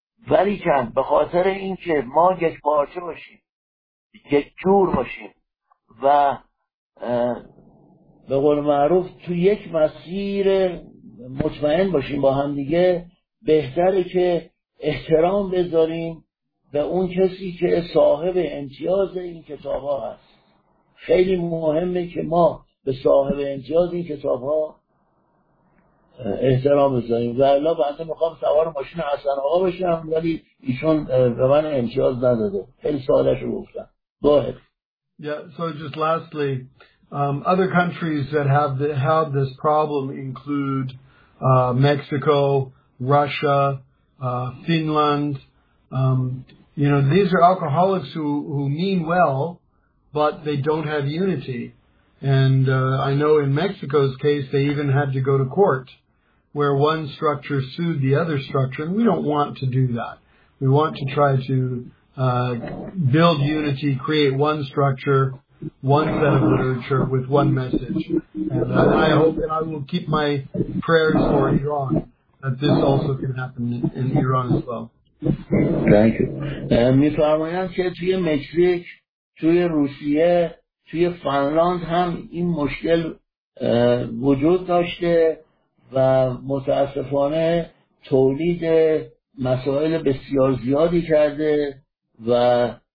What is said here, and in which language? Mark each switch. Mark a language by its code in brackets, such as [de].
[fa] ولی کن به خاطر اینکه ما یک پارچه باشیم، یک جور باشیم و به قول معروف تو یک مسیر مطمئن باشیم با هم دیگه، بهتره که احترام بذاریم به اون کسی که صاحب امتیاز این کتاب ها هست. خیلی مهمه که ما به صاحب امتیاز این کتاب ها احترام بذاریم و الا بنده میخوام سوار ماشین حسن آقا بشم ولی ایشون به من امتیاز نداده. خیلی سوالش رو گفتم. [en] Go ahead. Yeah, so just lastly, other countries that have had this problem include Mexico, Russia, Finland. You know, these are alcoholics who mean well, but they don't have unity. And I know in Mexico's case, they even had to go to court where one structure sued the other structure, and we don't want to do that. We want to try to build unity, create one structure, one set of literature with one message. And I hope that I will keep my prayers for Iran, that this also can happen in Iran as well. Thank you. [fa] می‌فرمایند که توی مکزیک، توی روسیه، توی فنلاند هم این مشکل وجود داشته و متاسفانه تولید مسائل بسیار زیادی کرده و